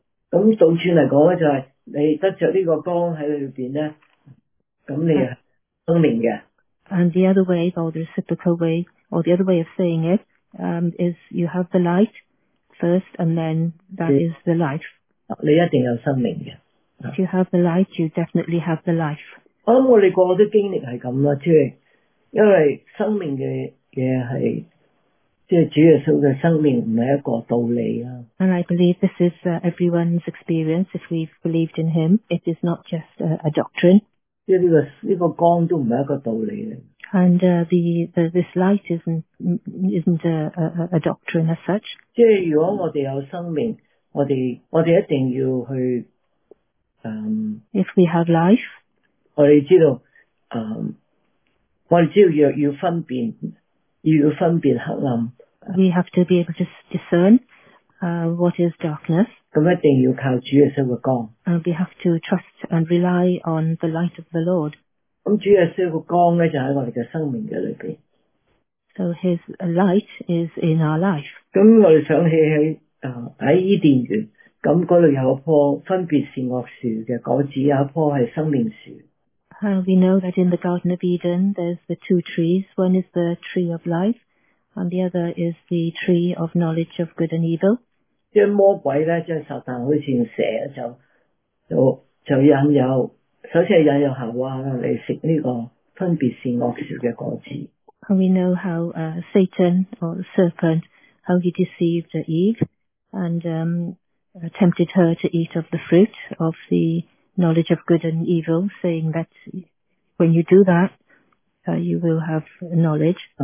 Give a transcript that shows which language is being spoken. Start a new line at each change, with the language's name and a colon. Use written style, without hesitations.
Cantonese: 咁倒转嚟讲咧，就系、是、你得着呢个光喺里边咧，咁你。生命嘅
English: ，and the other way, or the reciprocal way, or the other way of saying it, is you have the light first, and then that is the life.
Cantonese: 你一定有生命嘅。
English: If you have the light, you definitely have the life.
Cantonese: 我谂我哋个啲经历系咁啦，即系因为生命嘅嘢系，即系主耶稣嘅生命唔系一个道理啊。
English: And I believe this is everyone's experience. If we've believed in Him, it is not just a doctrine.
Cantonese: 即係呢個光都唔係一個道理。
English: And this light isn't a doctrine as such.
Cantonese: 即係如果我哋有生命，我哋一定要去
English: If we have life,
Cantonese: 我哋知道要分辨，要分辨黑暗。
English: We have to be able to discern what is darkness.
Cantonese: 咁一定要靠主耶穌嘅光。
English: And we have to trust and rely on the light of the Lord.
Cantonese: 咁主耶穌嘅光咧就喺我哋嘅生命嘅里边。
English: So His light is in our life.
Cantonese: 咁我哋想起喺伊甸园，咁嗰度有一棵分别善恶树嘅果子，有一棵系生命树。
English: We know that in the Garden of Eden, there's the two trees. One is the tree of life, and the other is the tree of knowledge of good and evil.
Cantonese: 即系魔鬼咧，即系撒旦，好似蛇就引诱，首先系引诱夏娃嚟食呢个分别善恶树嘅果子。
English: And we know how Satan or the serpent, how he deceived Eve and tempted her to eat of the fruit of the knowledge of good and evil, saying that when you do that, you will have knowledge.